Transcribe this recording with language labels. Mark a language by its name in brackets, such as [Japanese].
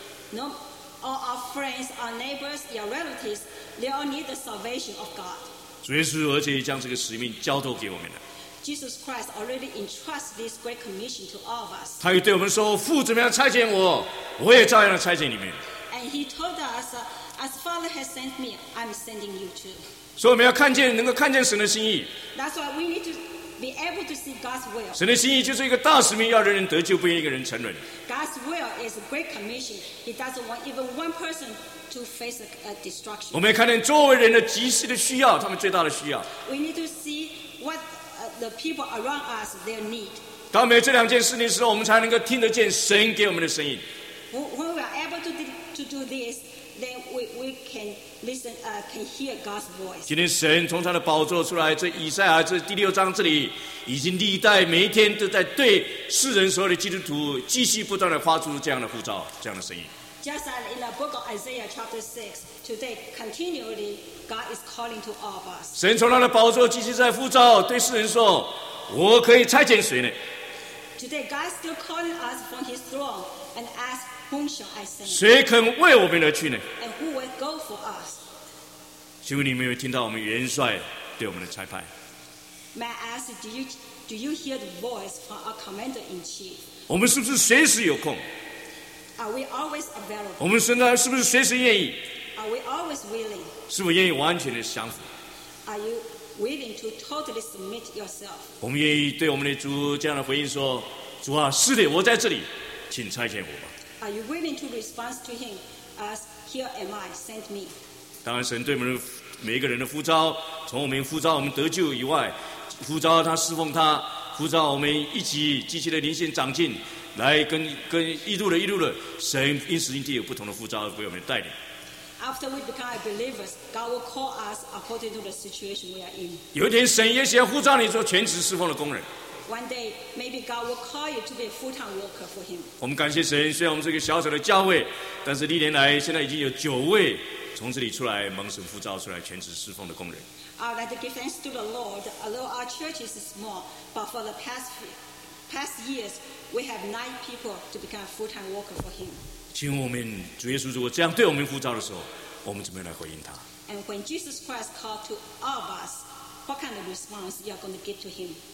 [English] No, all our friends, our neighbors, your relatives, they all need the salvation of God. [Chinese] 主耶稣而且将这个使命交托给我们了。 [English] Jesus Christ already entrusted this great commission to all of us. [Chinese] 他又对我们说：“父怎么样差遣我，我也照样差遣你们。” [English] And he told us. As Father has sent me, I'm sending you too. [Chinese] 所以我们要看见，能够看见神的心意。 [English] That's why we need to be able to see God's will. [Chinese] 神的心意就是一个大使命，要人人得救，不愿一个人沉沦。 [English] God's will is a great commission. He doesn't want even one person to face a destruction. [Chinese] 我们要看见周围人的急切的需要，他们最大的需要。 [English] We need to see what the people around us their need. [Chinese] 当没有这两件事情的时候，我们才能够听得见神给我们的声音。 [English] When we are able to do this. Then we can listen, can hear God's voice. [Chinese] 今天神从他的宝座出来，这以赛亚这第六章这里，已经历代每一天都在对世人所有的基督徒继续不断的发出这样的呼召，这样的声音。 [English] Just as in the book of Isaiah chapter 6, today continually God is calling to all of us. [Chinese] 神从他的宝座继续在呼召，对世人说，我可以差遣谁呢 [English] ？Today God is still calling us from His throne and ask. Whom shall I send? [Chinese] 谁肯为我们而去呢 [English] ？And who will go for us? [Chinese] 请问你们有听到我们元帅对我们的差派 [English] ？May I ask, do you hear the voice from our commander in chief? [Chinese] 我们是不是随时有空 [English] ？Are we always available? [Chinese] 我们现在是不是随时愿意 [English] ？Are we always willing? [Chinese] 是否愿意完全的降服 [English] ？Are you willing to totally submit yourself? [Chinese] 我们愿意对我们的主这样的回应说：主啊，是的，我在这里，请差遣我吧。 [English] Are you willing to respond to him as here am I, send me? [Chinese] 当然神对我们每一个人的呼召，从我们呼召我们得救以外，呼召他侍奉他，呼召我们一起积极的灵性长进，来跟一路的神因时因地有不同的呼召为我们带领。 [English] After we become believers, God will call us according to the situation we are in. [Chinese] 有一天神也许要呼召你做全职侍奉的工人。 [English] One day, maybe God will call you to be a full-time worker for Him. [Chinese] 我们感谢神，虽然我们是一个小小的教会，但是历年来现在已经有9位从这里出来蒙神呼召出来全职侍奉的工人。 [English] I'd like to give thanks to the Lord. Although our church is small, but for the past years, we have 9 people to become a full-time worker for Him. [Chinese] 请我们主耶稣如果这样对我们呼召的时候，我们怎么样来回应他 [English] ？And when Jesus Christ called to all of us, what kind of response you are going to give to Him?